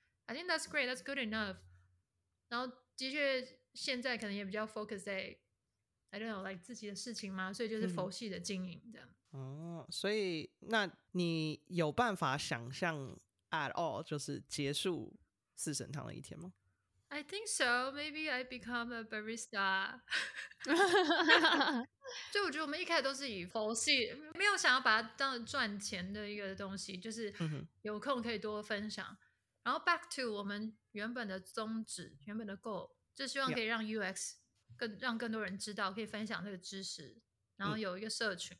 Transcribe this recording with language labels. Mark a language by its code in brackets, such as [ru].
[en] I think that's great, that's good enough。 [zh] 然后的确现在可能也比较 focus 在 [en] I don't know like [zh] 自己的事情嘛，所以就是佛系的经营这样、嗯、哦，所以那你有办法想象 at all 就是结束四神堂的一天吗？ [en] I think so, maybe I become a barista。 [zh] 就我觉得我们一开始都是以佛系，没有想要把它当赚钱的一个东西，就是有空可以多分享、嗯，然后 back to 我们原本的宗旨，原本的 goal 就希望可以让 UX 更、yeah. 让更多人知道，可以分享这个知识，然后有一个社群、